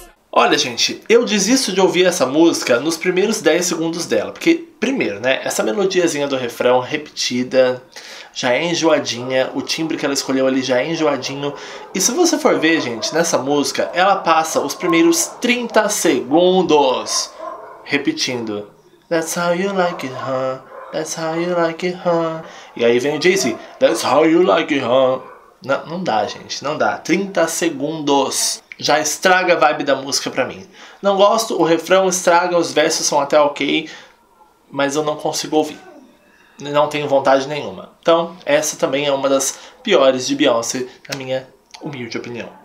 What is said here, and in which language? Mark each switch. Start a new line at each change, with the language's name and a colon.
Portuguese: Olha, gente, eu desisto de ouvir essa música nos primeiros 10 segundos dela. Porque, primeiro, né, essa melodiazinha do refrão repetida já é enjoadinha. O timbre que ela escolheu ali já é enjoadinho. E se você for ver, gente, nessa música, ela passa os primeiros 30 segundos repetindo.
English: That's how you like it, huh? That's how you like it, huh?
Portuguese: E aí vem o Jay-Z.
English: That's how you like it, huh?
Portuguese: Não, não dá, gente, não dá. 30 segundos. Já estraga a vibe da música pra mim. Não gosto, o refrão estraga, os versos são até ok, mas eu não consigo ouvir. Não tenho vontade nenhuma. Então, essa também é uma das piores de Beyoncé, na minha humilde opinião.